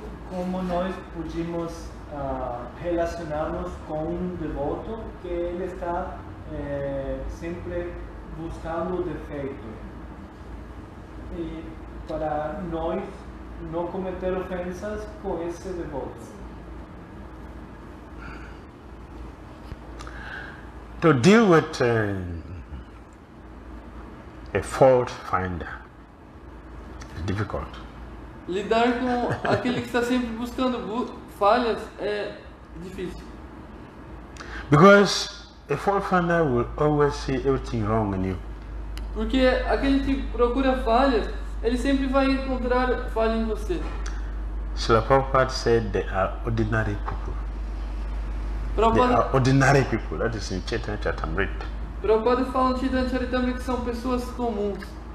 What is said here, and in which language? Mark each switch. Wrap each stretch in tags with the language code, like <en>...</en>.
<pt>Como nós podemos relacionarmos com um devoto que ele está sempre buscando defeito? E para nós não cometer ofensas com esse devoto.</pt> <en>To deal with a fault finder is difficult.</en> <pt>Lidar com aquele que está sempre buscando falhas é difícil.</pt> <en>Because a fault finder will always see everything wrong in you.</en> <pt>Porque aquele que procura falhas, ele sempre vai encontrar falha em você.</pt> <en>Srila Prabhupada said they are ordinary people. That is in Chaitanya Charitamrita.</en> <pt>Prabhupada fala no Chaitanya Charitamrita que são pessoas comuns.</pt>